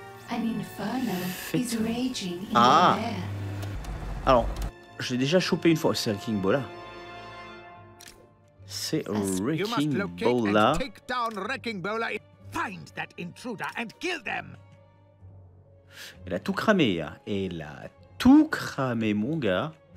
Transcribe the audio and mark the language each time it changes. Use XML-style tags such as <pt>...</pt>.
<en>An inferno is raging in the air.</en> <fr>Alors, je l'ai déjà chopé une fois, c'est un King Bola. C'est Wrecking Bola.</fr> <en>Take down Wrecking Bola. Find that intruder and kill them.</en> <fr>Elle a tout cramé, hein. Elle a tout cramé, mon gars.</fr>